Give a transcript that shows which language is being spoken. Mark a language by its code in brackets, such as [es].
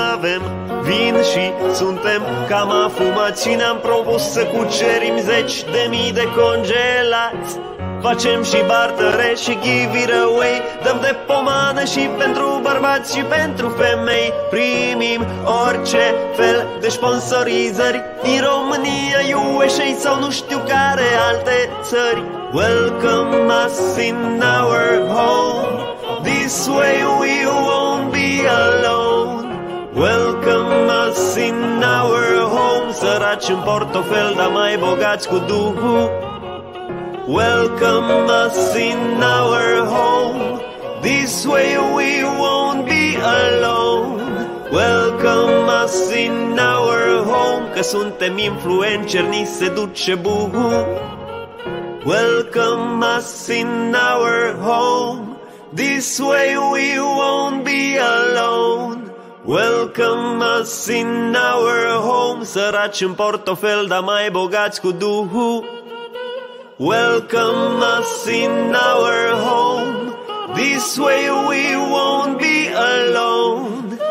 [ro] Avem vin și suntem cam afumați și ne-am propus să cucerim 10.000 de congelați. Facem și bartere și giveaway, dăm de pomană și pentru bărbați și pentru femei. Primim orice fel de sponsorizări din România, USA sau nu știu care alte țări. [en] Welcome us in our home, this way we won't be alone. Welcome us in our home, [ro] săraci în portofel, dar mai bogați cu duhul. [en] Welcome us in our home, this way we won't be alone. Welcome us in our home, [ro] că suntem influenceri, ni se duce buhu. [en] Welcome us in our home, this way we won't be alone. Welcome us in our home, [ro] săraci în portofel, dar mai bogați cu duhu. [en] Welcome us in our home, this way we won't be alone.